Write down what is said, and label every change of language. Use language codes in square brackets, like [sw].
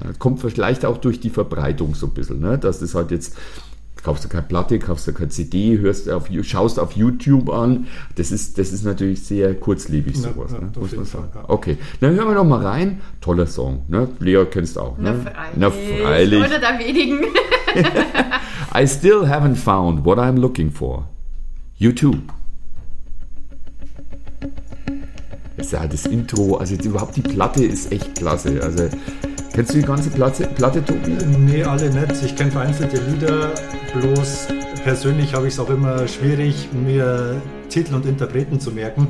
[de] Kommt vielleicht auch durch die Verbreitung so ein bisschen, ne? Dass das halt jetzt, kaufst du keine Platte, kaufst du keine CD, schaust auf YouTube an, das ist natürlich sehr kurzlebig sowas, ja, ne? Muss man sagen. Fall, ja. Okay, dann hören wir noch mal rein, toller Song, ne? Lea kennst auch, ne? Na freilich. Oder der wenigen. [en] I still haven't found what I'm looking for. [de] YouTube. Ja, das Intro, also jetzt überhaupt die Platte ist echt klasse. Also, kennst du die ganze Platte, Tobi? Nee, alle nicht. Ich kenne vereinzelte Lieder, bloß persönlich habe ich es auch immer schwierig, mir Titel und Interpreten zu merken.